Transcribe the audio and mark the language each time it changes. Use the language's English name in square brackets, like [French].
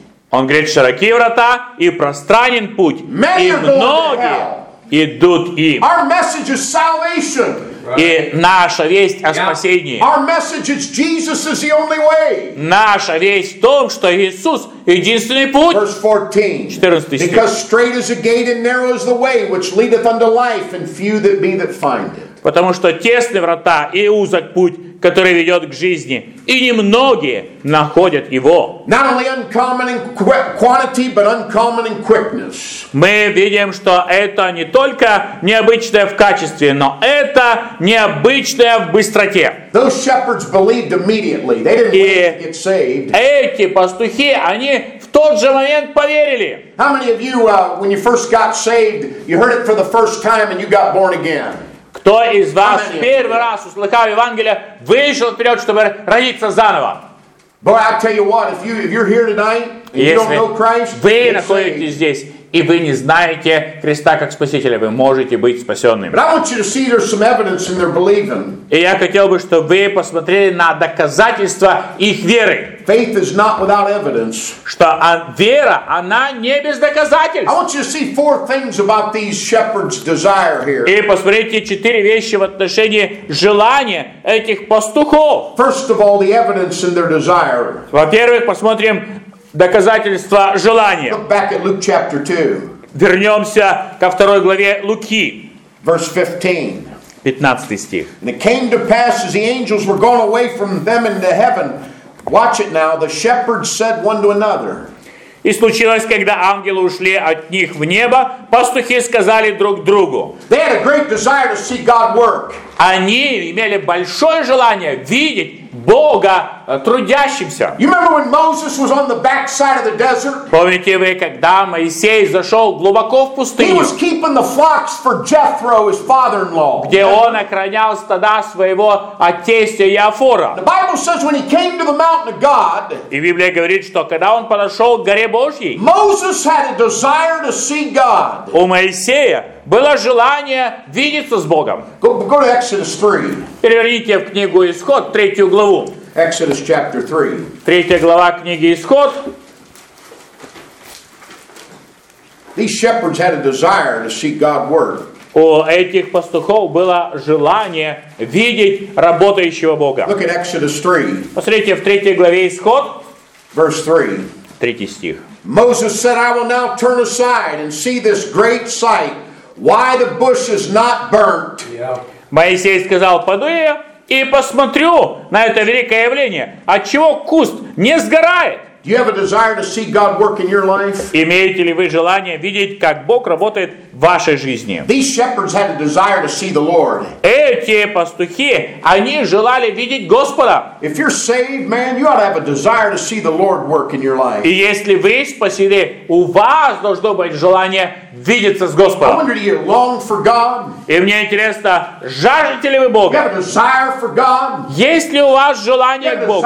[Russian] Он говорит, широки врата и пространен путь, и многие идут им. [English] Our message is salvation. [Russian] И наша весть о спасении. [English] Our message is Jesus is the only way. [Russian] Наша весть в том, что Иисус единственный путь. [English] Verse 14. [Russian] 14 стих. [English] Because straight is the gate and narrow is the way which leadeth unto life, and few that be that find it. [Russian] Потому что тесны врата и узок путь, который ведет к жизни, и немногие находят его. [English] Not only uncommon in quantity, but uncommon in quickness. [Russian] Мы видим, что это не только необычное в качестве, но это необычное в быстроте. [English] Those shepherds believed immediately. They didn't wait to get saved. [Russian] Эти пастухи, они в тот же момент поверили. [English] How many of you, when you first got saved, you heard it for the first time and you got born again? [Russian] Кто из вас первый раз услыхал Евангелие, вышел вперед, чтобы родиться заново? [English] Boy, I tell you what, if you're here tonight and you don't know Christ, [Russian] вы находитесь здесь, и вы не знаете Христа как Спасителя, вы можете быть спасенным. [English] But I want you to see there's some evidence in their believing. [Russian] И я хотел бы, чтобы вы посмотрели на доказательства их веры. [English] Faith is not without evidence. [Russian] Что вера, она не без доказательств. [English] I want you to see four things about these shepherds' desire here. [Russian] И посмотрите четыре вещи в отношении желания этих пастухов. [English] First of all, the evidence in their desire. [Russian] Во-первых, посмотрим доказательства желания. [English] Look back at Luke chapter 2. [Russian] Вернемся ко второй главе Луки. [English] Verse 15. [Russian] 15 стих. [English] And it came to pass as the angels were gone away from them into heaven. Watch it now. The shepherds said one to another. [Russian] И случилось, когда ангелы ушли от них в небо, пастухи сказали друг другу. [English] They had a great desire to see God work. [Russian] Они имели большое желание видеть Бога трудящимся. [English] You remember when Moses was on the back side of the desert? [Russian] Помните вы, когда Моисей зашел глубоко в пустыню? [English] He was keeping the flocks for Jethro, his father-in-law. [Russian] Где он охранял стада своего тестя Иофора. [English] The Bible says when he came to the mountain of God. [Russian] И Библия говорит, что когда он подошел к горе Божьей. [English] Moses had a desire to see God. [Russian] У Моисея было желание видеться с Богом. [English] Go to Exodus 3. [Russian] Переверните в книгу Исход, третью главу. [English] Exodus chapter 3. [Russian] Третья глава книги Исход. [English] These shepherds had a desire to see God work. [Russian] У этих пастухов было желание видеть работающего Бога. [English] Look at Exodus 3. [Russian] Посмотрите в третьей главе Исход. [English] Verse 3. [Russian] Третий стих. [English] Moses said, I will now turn aside and see this great sight. Why the bush is not burnt? [Russian] Моисей сказал: пойду я и посмотрю на это великое явление, отчего куст не сгорает. [English] Do you have a desire to see God work in your life? [Russian] Имеете ли вы желание видеть, как Бог работает в вашей жизни? [English] These shepherds had a desire to see the Lord. [Russian] Эти пастухи, они желали видеть Господа. [English] If you're saved, man, you ought to have a desire to see the Lord work in your life. [Russian] И если вы спасены, у вас должно быть желание видеться с Господом. [English] I wonder, do you long for God? [Russian] И мне интересно, жаждете ли вы Бога? [English] You have a desire for God? [Russian] Есть ли у вас желание к Богу?